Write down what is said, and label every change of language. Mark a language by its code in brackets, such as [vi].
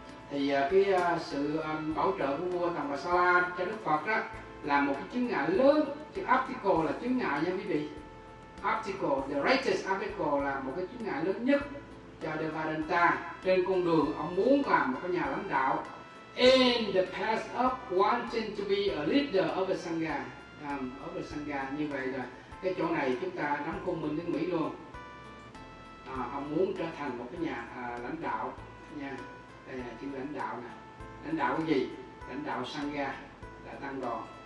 [vi] Thì cái sự bảo trợ của vua Tambasala cho Đức Phật đó là một cái chướng ngại lớn. Chứ obstacle là chướng ngại nha quý vị. Obstacle, [en] the greatest obstacle [vi] là một cái chướng ngại lớn nhất cho Devadatta trên con đường ông muốn làm một cái nhà lãnh đạo. [en] In the path of wanting to be a leader of the Sangha. Of the Sangha, [vi] như vậy là cái chỗ này chúng ta đóng khung mình đến Mỹ luôn. Ông muốn trở thành một cái nhà lãnh đạo nha. Đây là chữ lãnh đạo nè. Lãnh đạo cái gì? Lãnh đạo Sangha là tăng đoàn.